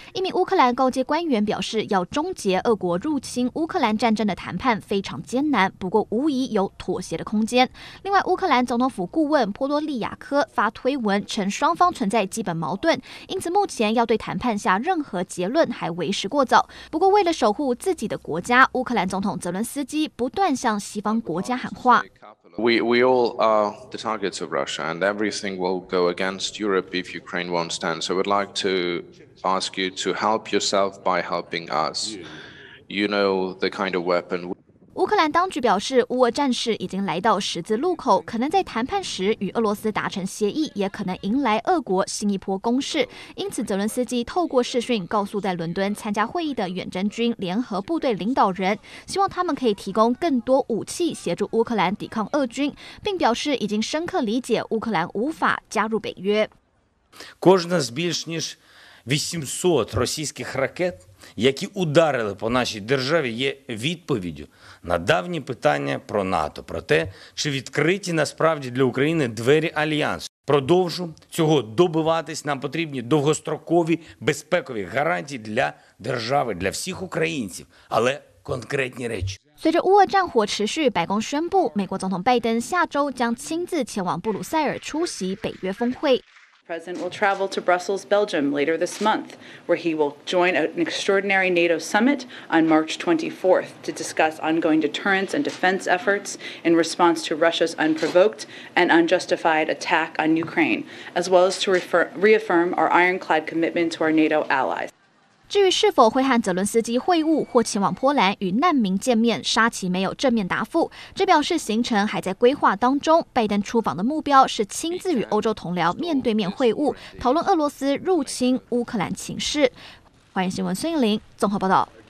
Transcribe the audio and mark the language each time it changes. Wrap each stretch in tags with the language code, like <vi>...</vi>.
<zh>一名乌克兰高阶官员表示，要终结俄国入侵乌克兰战争的谈判非常艰难，不过无疑有妥协的空间。另外，乌克兰总统府顾问波罗利亚科发推文称，双方存在基本矛盾，因此目前要对谈判下任何结论还为时过早。不过，为了守护自己的国家，乌克兰总统泽伦斯基不断向西方国家喊话。</zh> <en>We all are the targets of Russia, and everything will go against Europe if Ukraine won't stand. So I would like to ask you to help yourself by helping us. You know the kind of weapon.</en> <zh>乌克兰当局表示，乌俄战事已经来到十字路口，可能在谈判时与俄罗斯达成协议，也可能迎来俄国新一波攻势。因此，泽伦斯基透过视讯告诉在伦敦参加会议的远征军联合部队领导人，希望他们可以提供更多武器协助乌克兰抵抗俄军，并表示已经深刻理解乌克兰无法加入北约。</zh> <uk>Кожна з більш ніж 800 російських ракет, які ударили по нашій державі, є відповіддю на давні питання про НАТО, про те, чи відкриті насправді для України двері Альянсу. Продовжу цього добиватись, нам потрібні довгострокові безпекові гарантії для держави, для всіх українців, але конкретні речі.</uk> <zh>随着乌俄战火持续，白宫宣布美国总统拜登下周将亲自前往布鲁塞尔出席北约峰会。</zh> <en>President will travel to Brussels, Belgium later this month, where he will join an extraordinary NATO summit on March 24th to discuss ongoing deterrence and defense efforts in response to Russia's unprovoked and unjustified attack on Ukraine, as well as to reaffirm our ironclad commitment to our NATO allies.</en> <zh>至于是否会和泽伦斯基会晤或前往波兰与难民见面，沙奇没有正面答复，这表示行程还在规划当中。拜登出访的目标是亲自与欧洲同僚面对面会晤，讨论俄罗斯入侵乌克兰情势。欢迎新闻孙颖玲综合报道。</zh>